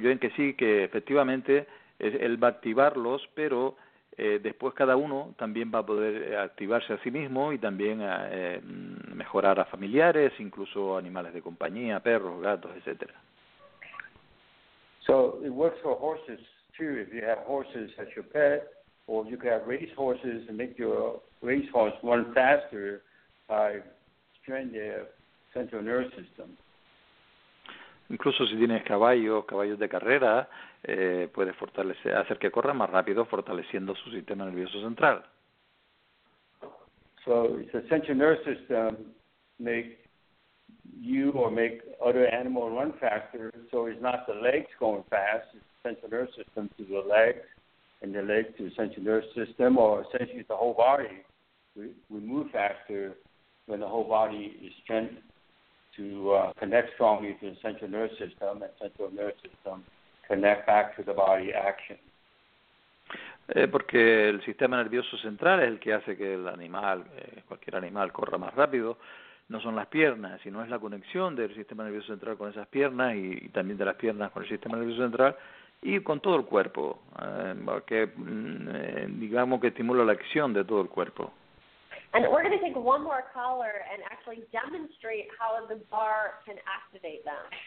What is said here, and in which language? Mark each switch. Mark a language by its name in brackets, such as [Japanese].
[Spanish] Yuen que sí, que efectivamente él va a activarlos, pero después cada uno también va a poder activarse a sí mismo y también a, mejorar a familiares, incluso animales de compañía, perros, gatos, etcétera. [English] So it works for horses too. If you have horses as your pet, or you can have race horses and make your race horse run faster by strengthening their central nervous system. [Spanish] Incluso si tienes caballos de carrera, puedes fortalecer, hacer que corra más rápido fortaleciendo su sistema nervioso central. [English] So the central nervous system make you or make other animal run faster, so it's not the legs going fast, it's the central nervous system to the legs and the legs to the central nervous system, or essentially the whole body. We move faster when the whole body is strengthened to connect strongly to the central nervous system and central nervous system connect back to the body action. [Spanish] Porque el sistema nervioso central es el que hace que el animal, cualquier animal, corra más rápido. No son las piernas, sino es la conexión del sistema nervioso central con esas piernas y también de las piernas con el sistema nervioso central y con todo el cuerpo, porque digamos que estimula la acción de todo el cuerpo. [English] And we're going to take one more caller and actually demonstrate how the bar can activate them.